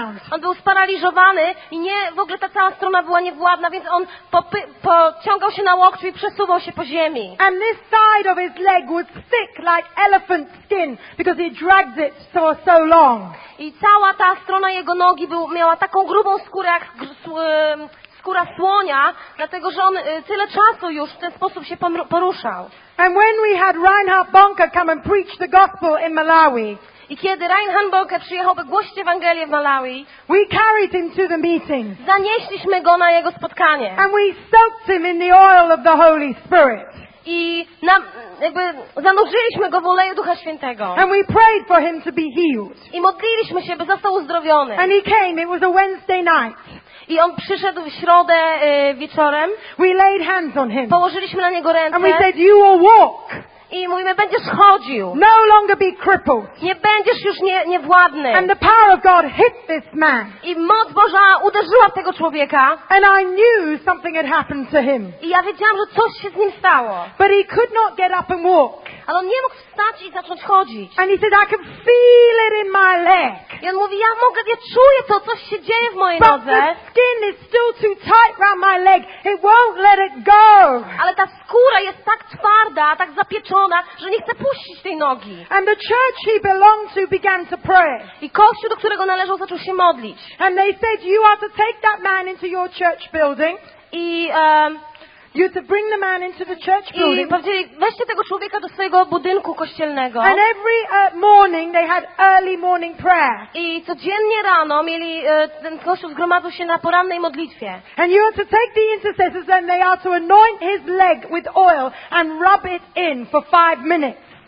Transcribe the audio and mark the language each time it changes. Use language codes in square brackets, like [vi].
[pl] On był sparaliżowany i nie, w ogóle ta cała strona była niewładna, więc on pociągał się na łokciu i przesuwał się po ziemi. [en] And this side of his leg was thick like elephant skin because he dragged it for so long. [pl] I cała ta strona jego nogi miała taką grubą skórę jak skóra słonia, dlatego że on tyle czasu już w ten sposób się poruszał. [en] And when we had Reinhard Bonnke come and preach the gospel in Malawi. [pl] I kiedy Reinhard Bonnke przyjechał, by głosić Ewangelię w Malawi, [en] we carried him to the meeting. [pl] Zanieśliśmy go na jego spotkanie. [en] And we soaked him in the oil of the Holy Spirit. [pl] I zanurzyliśmy go w oleju Ducha Świętego. [en] And we prayed for him to be healed. [pl] I modliliśmy się, by został uzdrowiony. [en] And he came. It was a Wednesday night. [pl] I on przyszedł w środę wieczorem. [en] We laid hands on him. [pl] Położyliśmy na niego ręce. [en] And we said, you will walk. [pl] I mówimy, będziesz chodził. [en] No longer be crippled. [pl] Nie będziesz już niewładny. [en] And the power of God hit this man. [pl] I moc Boża uderzyła w tego człowieka. [en] And I knew something had happened to him. [pl] I ja wiedziałam, że coś się z nim stało. [en] But he could not get up and walk. [pl] Ale on nie mógł wstać i zacząć chodzić. [en] And he said, I can feel it in my leg. [pl] I on mówi, ja czuję to, coś się dzieje w mojej nodze. [en] But the skin is still too tight around my leg. It won't let it go. [pl] Ale ta skóra jest tak twarda, tak zapieczona, że nie chce puścić tej nogi. [en] And the church he belonged to began to pray. [pl] I kościół, do którego należał, zaczął się modlić. [en] And they said, you are to take that man into your church building. [pl] I [en] You have to bring the man into the church building. [pl] I powiedzieli, weźcie tego człowieka do swojego budynku kościelnego. [en] And every morning they had early morning prayer. [pl] I codziennie rano mieli ten kościół zgromadzał się na porannej modlitwie. [en] And you have to take the intercessors and they are to anoint his leg with oil and rub it in for 5 minutes.